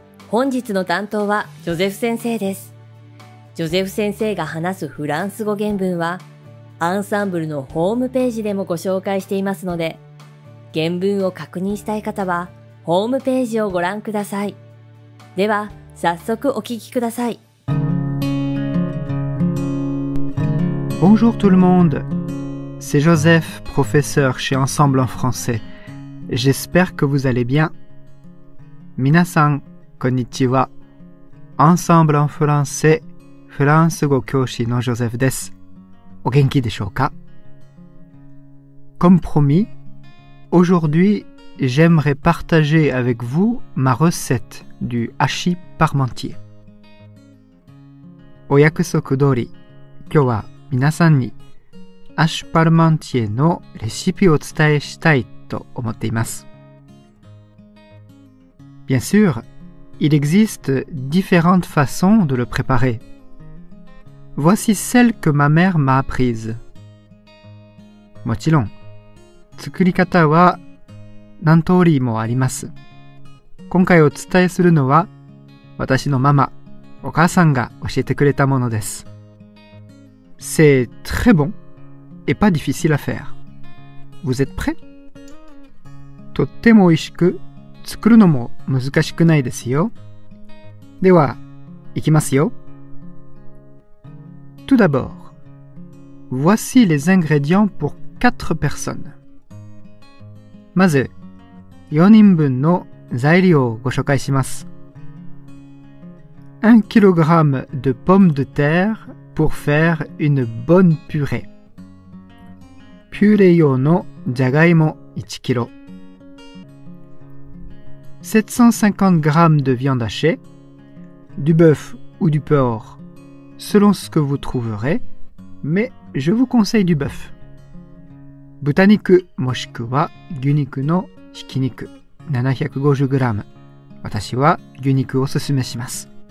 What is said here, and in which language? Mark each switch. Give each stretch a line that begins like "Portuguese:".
Japanese: 本日の担当はジョゼフ先生です。ジョゼフ先生が話すフランス語原文はアンサンブルのホームページでもご紹介していますので、原文を確認したい方はホームページをご覧ください。では早速お聞きください。
French: Bonjour tout le monde, c'est Joseph, professeur chez Ensemble en français. J'espère que vous allez bien.
Japanese: 皆さん、こんにちは。 Ensemble en français, フランス語教師のジョゼフです。お元気でしょうか?
French: Comme promis, aujourd'hui, j'aimerais partager avec vous ma recette du hachis parmentier.
Japanese: お約束通り、今日は皆さんにアッシュパルマンティエのレシピをお伝えしたいと思っています。
French: Bien sûr, il existe différentes façons de le préparer. Voici celle que ma mère m'a apprise.
Japanese: もちろん、作り方は何通りもあります。今回お伝えするのは、私のママ、お母さんが教えてくれたものです。
French: C'est très bon et pas difficile à faire. Vous êtes prêts?
Japanese: とっても美味しく、作るのも難しくないですよ。では、行きますよ。
French: Tout d'abord, voici les ingrédients pour 4 personnes.
Japanese: まず、4人分の材料をご紹介します。
French: 1 kg de pommes de terre pour faire une bonne purée.
Japanese: Purée 用のジャガイモ 1kg.
French: 750 g de viande hachée, du bœuf ou du porc, selon ce que vous trouverez, mais je vous conseille du bœuf.
Japanese: 豚肉もしくは牛肉のひき肉 750g. 私は牛肉をおすすめします。